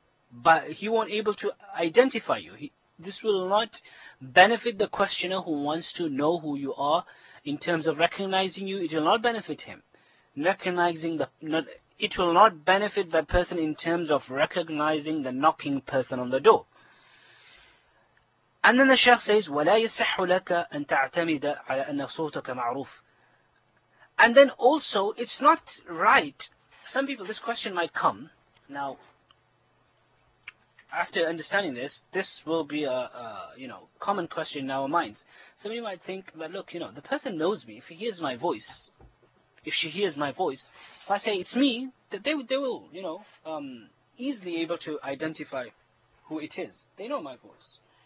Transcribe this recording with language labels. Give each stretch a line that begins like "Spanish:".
English: But he won't able to identify you. This will not benefit the questioner who wants to know who you are in terms of recognizing you. It will not benefit him. It will not benefit that person in terms of recognizing the knocking person on the door. And then the Shaykh says,
Arabic: وَلَا يَسَّحُ لَكَ أَن تَعْتَمِدَ عَلَى أَنَّ صُوتَكَ مَعْرُوفٌ.
English: And then also, it's not right. Some people, this question might come. Now, after understanding this, this will be a you know, common question in our minds. Some of you might think that, look, you know, the person knows me. If he hears my voice, if she hears my voice, if I say it's me, that they will, you know, easily able to identify who it is. They know my voice.